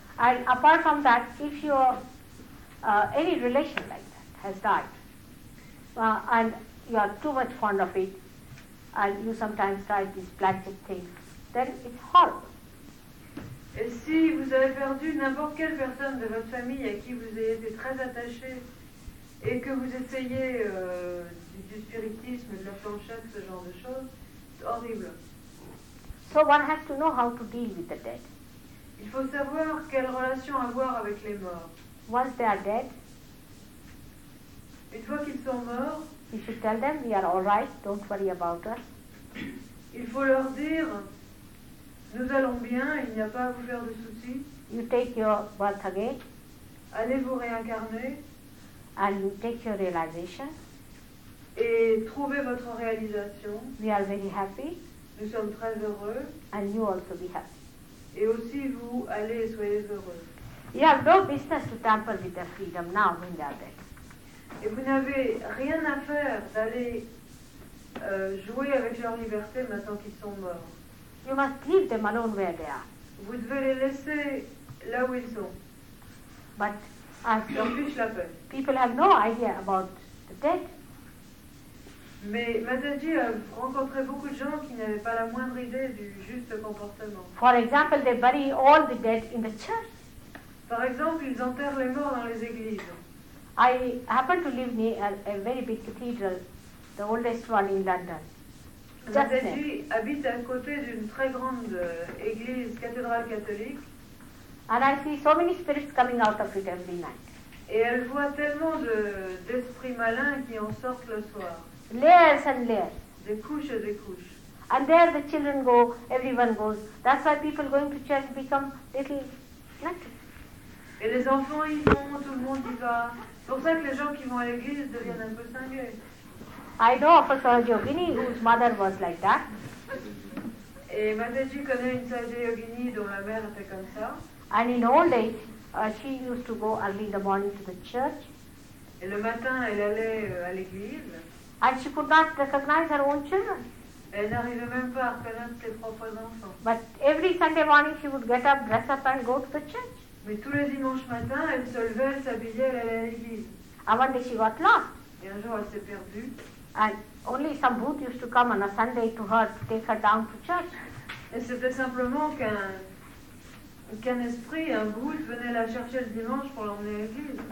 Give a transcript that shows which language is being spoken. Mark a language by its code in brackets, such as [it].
[en] And apart from that, if your any relation like that has died, and you are too much fond of it, and you sometimes try these plastic things, then it's horrible. [fr] Et si vous avez perdu n'importe quelle personne de votre famille à qui vous avez été très attaché et que vous essayez du spiritisme, de la planchette, ce genre de choses, c'est horrible. [en] So one has to know how to deal with the dead. [fr] Il faut savoir quelle relation avoir avec les morts. [en] Once they are dead, [fr] une fois qu'ils sont morts, [en] you should tell them we are all right, don't worry about us. [fr] Il faut leur dire nous allons bien, il n'y a pas à vous faire de soucis. [en] You take your birth again. [fr] Allez vous réincarner. [en] And you take your realization. [fr] Et trouvez votre réalisation. [en] We are very happy. [fr] Nous sommes très heureux. [en] And you also be happy. [fr] Et aussi vous, allez et soyez heureux. [en] You have no business to tamper with their freedom now when they are dead. [fr] Et vous n'avez rien à faire d'aller jouer avec leur liberté maintenant qu'ils sont morts. [en] You must leave them alone where they are. [fr] Vous devez les laisser là où ils sont. [en] But as people have no idea about the dead. [fr] Mais Mataji a rencontré beaucoup de gens qui n'avaient pas la moindre idée du juste comportement. [en] For example, they bury all the dead in the church. [fr] Par exemple, ils enterrent les morts dans les églises. [en] I happen to live near a very big cathedral, the oldest one in London. [fr] Mataji habite à côté d'une très grande église, cathédrale catholique. [en] And I see so many spirits coming out of it every night. [fr] Et elle voit tellement d'esprits malins qui en sortent le soir. [en] Layers and layers. [fr] Des couches et des couches. [en] And there the children go, everyone goes. That's why people going to church become little nuts. [fr] Et les enfants y vont, tout le monde y va. C'est pour ça que les gens qui vont à l'église deviennent un peu cinglés. [en] I know of a Sahaja Yogini whose mother was like that. [fr] Et Mataji connaît une sage yogini dont la mère était comme ça. [en] And in old age, she used to go early in the morning to the church. [fr] Et le matin, elle allait à l'église. [en] And she could not recognize her own children. [fr] Elle n'arrivait même pas à reconnaître ses propres enfants. [en] But every Sunday morning, she would get up, dress up, and go to the church. [fr] Mais tous les dimanches matins, elle se levait, s'habillait, elle allait à l'église. [en] And one day she got lost. [fr] Et un jour, elle s'est perdue. [en] And only some bhoot used to come on a Sunday to her to take her down to church. [fr] Et c'était simplement qu'un esprit, un bhoot, venait la chercher le dimanche pour l'emmener à l'église.